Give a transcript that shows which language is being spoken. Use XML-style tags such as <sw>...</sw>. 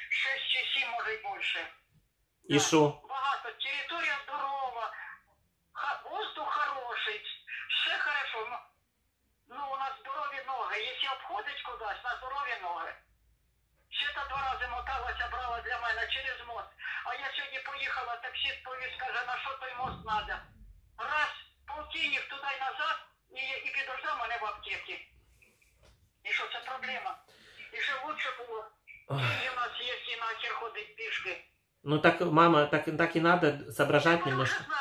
<ru>6 чи 7, может, и больше. И что? Да, много. Территория здорова. Воздух хороший. Все хорошо.</ru> <uk>Ну, у нас здорові ноги.</uk> <ru>Если обходить кудись, на здорові ноги.</ru> <uk>Ще-то 2 рази моталася, брала для мене через мост. А я сьогодні поїхала, таксист повіз, каже, на що той мост надо? Раз, полтинник туди і назад, і підожда мене в аптеці. І що це проблема? І що лучше було? Ти у нас є, і нахер ходить пішки.</uk> <ru>Ну так, мама, так і надо соображати немножко.</ru>